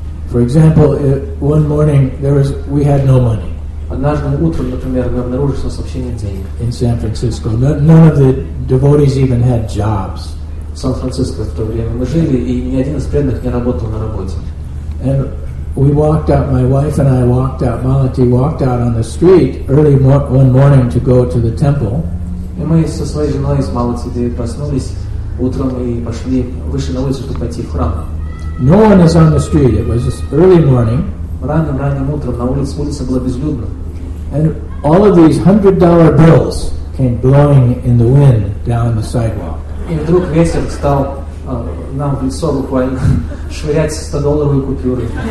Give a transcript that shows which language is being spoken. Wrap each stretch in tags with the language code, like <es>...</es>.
<en>For example, one morning we had no money.</en> <ru>Однажды утром, например, мы обнаружили, что вообще нет денег.</ru> <en>In San Francisco, none of the devotees even had jobs.</en> <ru>В Сан-Франциско в то время мы жили, и ни один из преданных не работал на работе.</ru> <en>And we walked out. My wife and I walked out. Malati walked out on the street early one morning to go to the temple.</en> <ru>И мы со своей женой из Малати проснулись утром и пошли выше на улицу, чтобы пойти в храм.</ru> <en>No one is on the street. It was just early morning.</en> <ru>Ранним утром на улице была безлюдна.</ru> <en>And all of these $100 bills came blowing in the wind down the sidewalk.</en> <ru>И вдруг ветер стал нам в лицо буквально швырять $100 купюры.</ru>